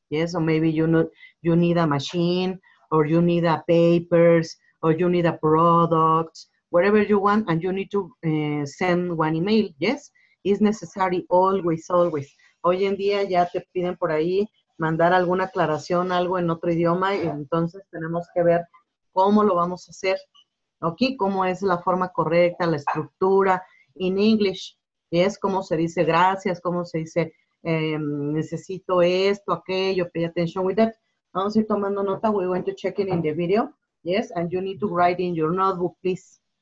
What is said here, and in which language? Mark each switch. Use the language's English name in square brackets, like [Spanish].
[English] Yes, or maybe you need a machine, or you need a papers, or you need a product, whatever you want, and you need to send one email. Yes, it's necessary always. [Spanish] Hoy en día ya te piden por ahí mandar alguna aclaración, algo en otro idioma, y entonces tenemos que ver cómo lo vamos a hacer, ¿ok? ¿Cómo es la forma correcta, la estructura, [English] in English? [Spanish] ¿Y es cómo se dice gracias, cómo se dice necesito esto, aquello? [English] Pay attention with that. [Spanish] Vamos a ir tomando nota. [English] We're going to check in the video. Yes, and you need to write in your notebook, please.